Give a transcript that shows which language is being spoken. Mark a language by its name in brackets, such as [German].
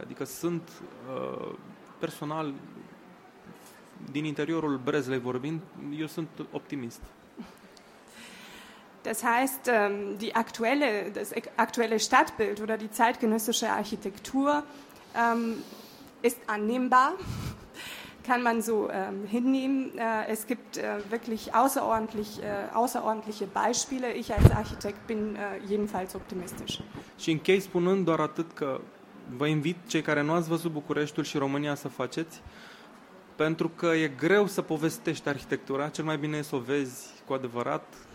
[Romanian] Adică sunt, personal, din interiorul Brezlei vorbind, eu sunt optimist. [German] Das heißt, das aktuelle Stadtbild oder die zeitgenössische Architektur ist annehmbar, kann man so hinnehmen. Es gibt wirklich außerordentliche Beispiele. Ich als Architekt bin jedenfalls optimistisch. [Romanian] Și închei spunând doar atât că vă invit cei care nu ați văzut Bucureștiul și România să faceți, pentru că e greu să povestești arhitectura, cel mai bine e să o vezi cu adevărat.